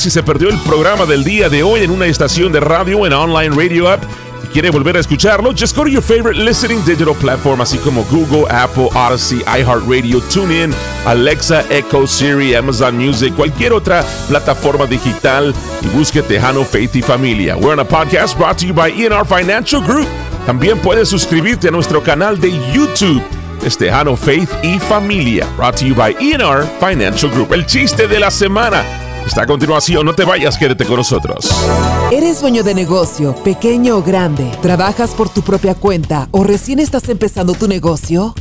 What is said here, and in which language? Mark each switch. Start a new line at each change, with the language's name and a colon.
Spanish: Si se perdió el programa del día de hoy en una estación de radio, en online radio app, y quiere volver a escucharlo,
English: just go to your favorite listening digital platform,
Spanish: así como Google, Apple, Odyssey, iHeartRadio, TuneIn, Alexa, Echo, Siri, Amazon Music, cualquier otra plataforma digital, y busque Tejano, Faith y Familia.
English: We're on a podcast brought to you by E&R Financial Group.
Spanish: También puedes suscribirte a nuestro canal de YouTube. Es Tejano Faith y Familia,
English: brought to you by E&R Financial Group.
Spanish: El chiste de la semana está a continuación. No te vayas, quédate con nosotros. ¿Eres dueño de negocio, pequeño o grande? ¿Trabajas por tu propia cuenta o recién estás empezando tu negocio?